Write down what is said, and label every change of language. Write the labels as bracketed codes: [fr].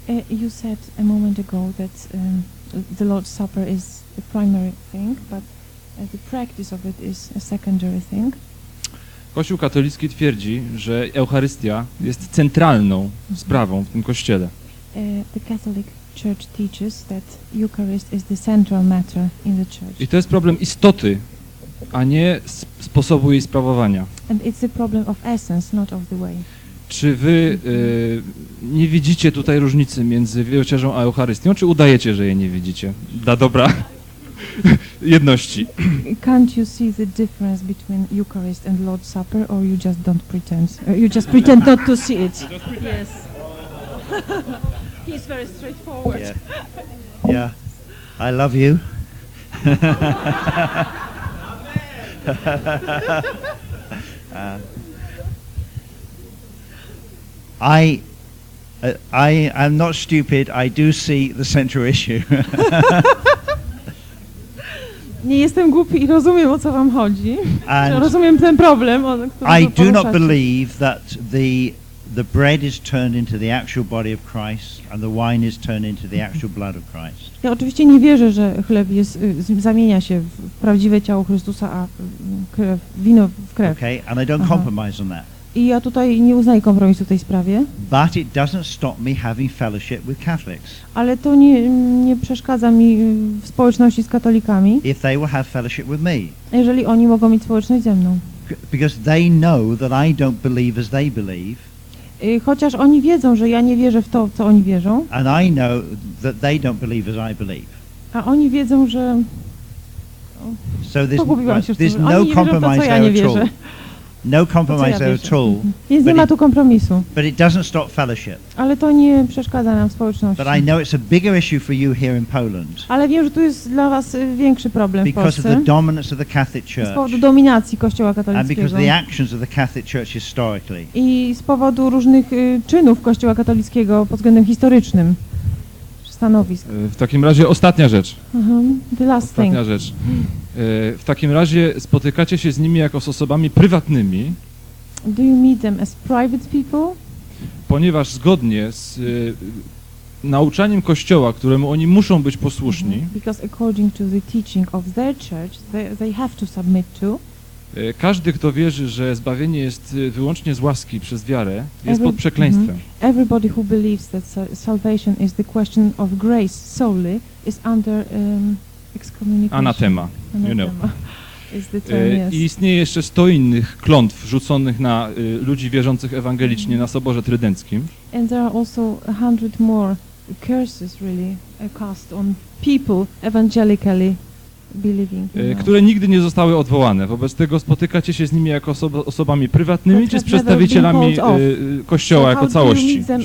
[en] You said a moment ago that the Lord's Supper is the primary thing, but the practice of it is a secondary thing. [pl] Kościół katolicki twierdzi, że Eucharystia jest centralną sprawą w tym Kościele. [en] The Catholic Church teaches that Eucharist is the central matter in the church. [pl] I to jest problem istoty, a nie sposobu jej sprawowania. [en] And it's a problem of essence, not of the way. [pl] Czy wy nie widzicie tutaj różnicy między Wieczerzą a Eucharystią, czy udajecie, że jej nie widzicie? Dla dobra jedności. [en] Can't you see the difference between Eucharist and Lord's Supper, or you just don't pretend? You just pretend not to see it. Yes. He's very straightforward. Yeah, yeah. I love you. I am not stupid. I do see the central issue. [pl] Nie jestem głupi i rozumiem, o co wam chodzi. Rozumiem ten problem, o którym [en] I do not believe that the bread is turned into the actual body of Christ and the wine is turned into the actual blood of Christ. [pl] Ja oczywiście nie wierzę, że chleb jest zamienia się w prawdziwe ciało Chrystusa, a krew, wino w krew. [en] Okay, and I don't compromise on that. [pl] I ja tutaj nie uznaję kompromisu w tej sprawie. [en] But it doesn't stop me having fellowship with Catholics. [pl] Ale to nie przeszkadza mi w społeczności z katolikami. [en] If they will have fellowship with me. [pl] Jeżeli oni mogą mieć społeczność ze mną. [en] Because they know that I don't believe as they believe. [pl] Chociaż oni wiedzą, że ja nie wierzę w to, co oni wierzą. [en] And I know that they don't believe as I believe. [pl] A oni wiedzą, że [en] so there's no compromise there at all. No compromise there at all. [pl] Więc nie ma tu kompromisu. [en] But it doesn't stop fellowship. [pl] Ale to nie przeszkadza nam w społeczności. [en] But I know it's a bigger issue for you here in Poland. [pl] Ale wiem, że tu jest dla was większy problem w Polsce. [en] Because of the dominance of the Catholic Church. [pl] Z powodu dominacji Kościoła katolickiego. [en] And because of the actions of the Catholic Church historically. [pl] I z powodu różnych czynów Kościoła katolickiego pod względem historycznym. Stanowisk. W takim razie ostatnia rzecz. [en] The last [pl] ostatnia [en] thing. [pl] Rzecz. W takim razie spotykacie się z nimi jako z osobami prywatnymi. [en] Do you meet them as private people? [pl] Ponieważ zgodnie z nauczaniem Kościoła, któremu oni muszą być posłuszni. [en] Because according to the teaching of their church, they have to submit to. [pl] Każdy, kto wierzy, że zbawienie jest wyłącznie z łaski przez wiarę, jest pod przekleństwem. [en] Everybody who believes that salvation is the question of grace solely is under excommunication. Anatema, you know. Is the term, yes. [pl] I istnieje jeszcze 100 innych klątw rzuconych na ludzi wierzących ewangelicznie na Soborze Trydenckim. [en] And there are also 100 more curses really cast on people evangelically. [pl] Które nigdy nie zostały odwołane. Wobec tego spotykacie się z nimi jako osobami prywatnymi czy z przedstawicielami Kościoła jako całości